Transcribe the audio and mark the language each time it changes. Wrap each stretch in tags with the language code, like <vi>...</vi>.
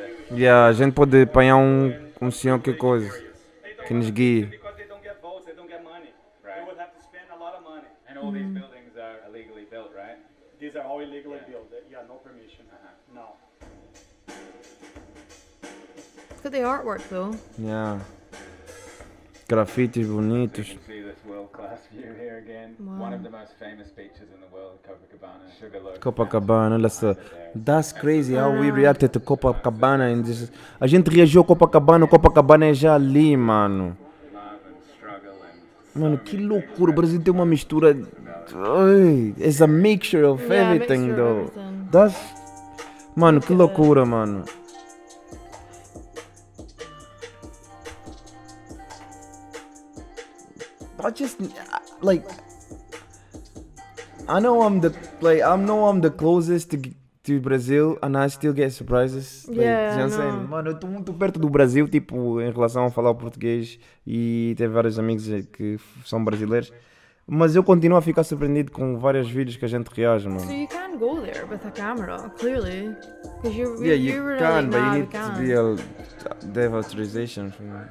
<pt>Yeah, a gente pode apanhar um senhor que coisa. Que nos guie.</pt> <en>Because they don't get votes, they don't get money. Right. They would have to spend a lot of money. And all these buildings are illegally built, right? These are all illegally built. Yeah, no permission. No. Look at the artwork though.</en> <pt>Yeah. Graffiti bonitos.</pt> <en>So you can see this world-class view here again. Wow. One of the most famous beaches in the world, Copacabana.</en> <pt>Copacabana, olha só.</pt> <en>That's crazy how we reacted to Copacabana. And this is,</en> <pt>a gente reagiu a Copacabana, Copacabana é já ali, mano. Mano, que loucura. O Brasil tem uma mistura...</pt> <en>It's a mixture of everything, though. That's...</en> <pt>Mano, que loucura, mano.</pt> <en>I just like, I know I'm the, like, I know I'm the closest to Brazil, and I still get surprises. Yeah, like, I know.</en> <pt>Mano, eu tô muito perto do Brasil, tipo, em relação a falar o português, e tenho vários amigos que são brasileiros, mas eu continuo a ficar surpreendido com vários vídeos que a gente reage, mano.</pt> <en>So you can go there with a camera, clearly, because you can, but you need to be a authorization from...</en>